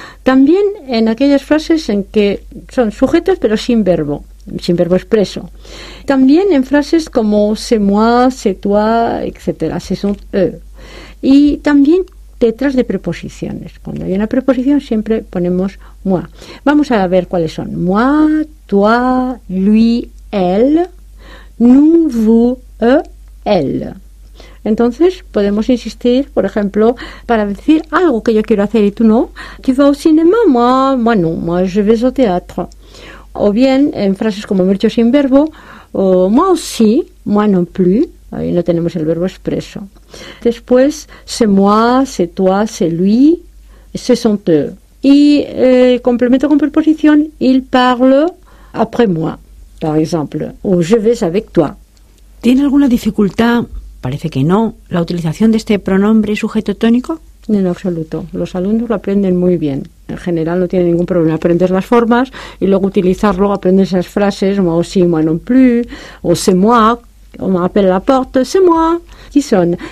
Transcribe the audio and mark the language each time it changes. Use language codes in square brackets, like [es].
[es] También en aquellas frases en que son sujetos pero sin verbo, sin verbo expreso. También en frases como [fr] c'est moi, c'est toi, [es] etcétera, [fr] c'est son eux. [es] Y también detrás de preposiciones. Cuando hay una preposición siempre ponemos moi. Vamos a ver cuáles son. [fr] Moi, toi, lui, elle, nous, vous, eux, elle. [es] Entonces, podemos insistir, por ejemplo, para decir algo que yo quiero hacer y tú no. [fr] Tu vas au cinéma, moi, moi non, moi je vais au théâtre. [es] O bien, en frases como hemos dicho sin verbo, o [fr] moi aussi, moi non plus, [es] ahí no tenemos el verbo expreso. Después, [fr] c'est moi, c'est toi, c'est lui, c'est son eux. [es] Y complemento con preposición, [fr] il parle après moi, par exemple, o je vais avec toi. [es] ¿Tiene alguna dificultad? Parece que no. ¿La utilización de este pronombre sujeto tónico? En absoluto. Los alumnos lo aprenden muy bien. En general no tienen ningún problema aprender las formas y luego utilizarlo, aprender esas frases, [fr] moi aussi, moi non plus, [es] o [fr] c'est moi, on m'appelle à la porte, c'est moi, qui son.